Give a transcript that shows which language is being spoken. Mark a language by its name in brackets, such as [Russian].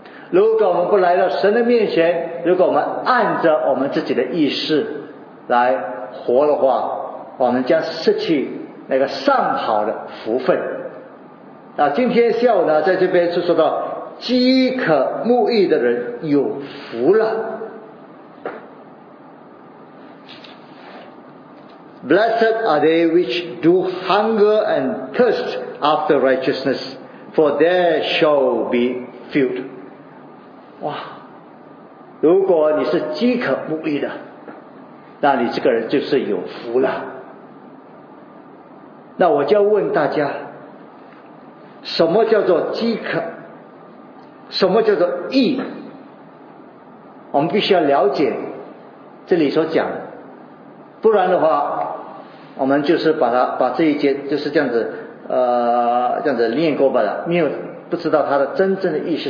[Chinese] 如果我们不来到神的面前，如果我们按着我们自己的意识来活的话，我们将失去那个上好的福分。那今天下午呢，在这边是说到饥渴慕义的人有福了。 [English] Blessed are they which do hunger and thirst after righteousness, for they shall be filled. [Chinese] 哇，如果你是饥渴慕义的，那你这个人就是有福了。那我就要问大家，什么叫做饥渴？什么叫做义？我们必须要了解这里所讲的，不然的话，我们就是把这一节就是这样子，这样子念过罢了，没有不知道它的真正的意思。